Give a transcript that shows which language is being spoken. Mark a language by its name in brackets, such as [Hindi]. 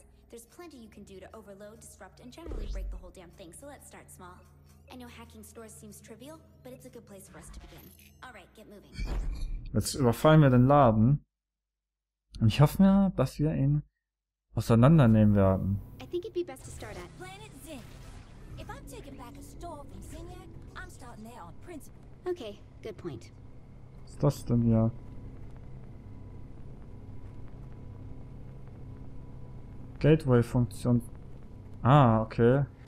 [English] There's plenty you can do to overload, disrupt, and generally break the whole damn thing, so let's start small. I know hacking stores seems trivial, but it's a good place for us to begin. Alright, get moving. [German] Jetzt überfallen wir den Laden. Und ich hoffe mir, dass wir ihn auseinandernehmen werden. [English] I think it'd be best to start at Planet Zinn. If I'm taking back a store from Zinniak, I'm starting there on principle. Okay, good point. [German] Was ist das denn hier? Gateway-Funktion. Ah, okay.